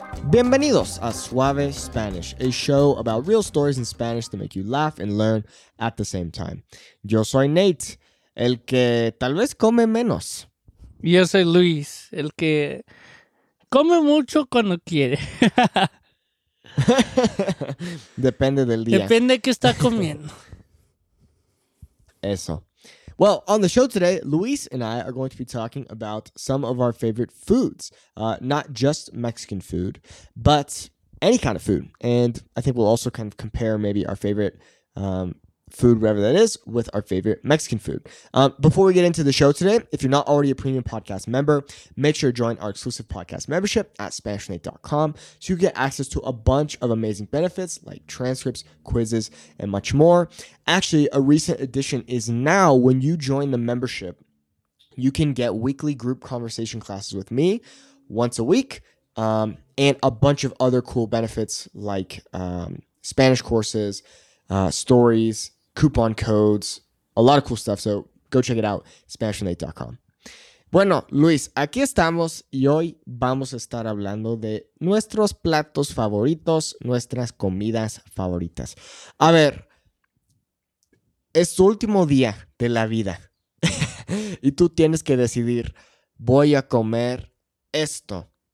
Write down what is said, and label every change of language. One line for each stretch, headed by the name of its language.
Spanish: Bienvenidos a
English: Suave Spanish, a show about real stories in Spanish to make you laugh and learn at the same time.
Spanish: Yo soy Nate, el que tal vez come menos. Yo soy Luis, el que come mucho cuando quiere. Depende del día. Depende qué está comiendo. Eso.
English: Well, on the show today, Luis and I are going to be talking about some of our favorite foods. Not just Mexican food, but any kind of food. And I think we'll also kind of compare maybe our favorite food, whatever that is, with our favorite Mexican food. Before we get into the show today, if you're not already a premium podcast member, make sure to join our exclusive podcast membership at SpanishNate.com so you get access to a bunch of amazing benefits like transcripts, quizzes, and much more. Actually, a recent addition is now when you join the membership, you can get weekly group conversation classes with me once a week and a bunch of other cool benefits like Spanish courses, stories, coupon codes, a lot of cool stuff. So go check it out, SpanishNate.com.
Spanish: Bueno, Luis, aquí estamos y hoy vamos a estar hablando de nuestros platos favoritos, nuestras comidas favoritas. A ver, es tu último día de la vida y tú tienes que decidir, voy a comer esto.